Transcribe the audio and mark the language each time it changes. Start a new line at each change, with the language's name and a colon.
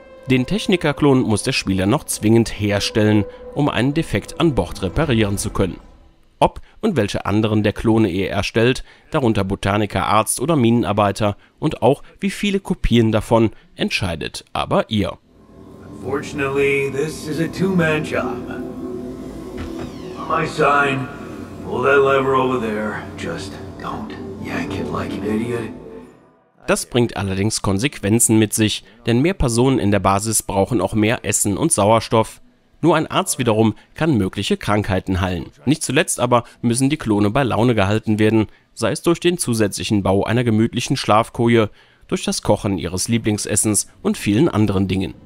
German: Den Technikerklon muss der Spieler noch zwingend herstellen, um einen Defekt an Bord reparieren zu können. Ob und welche anderen der Klone ihr erstellt, darunter Botaniker, Arzt oder Minenarbeiter, und auch wie viele Kopien davon, entscheidet aber ihr.
English: Unfortunately, this is a two-man job. My sign, pull that lever over there, just don't yank it like an idiot.
German: Das bringt allerdings Konsequenzen mit sich, denn mehr Personen in der Basis brauchen auch mehr Essen und Sauerstoff. Nur ein Arzt wiederum kann mögliche Krankheiten heilen. Nicht zuletzt aber müssen die Klone bei Laune gehalten werden, sei es durch den zusätzlichen Bau einer gemütlichen Schlafkoje, durch das Kochen ihres Lieblingsessens und vielen anderen Dingen.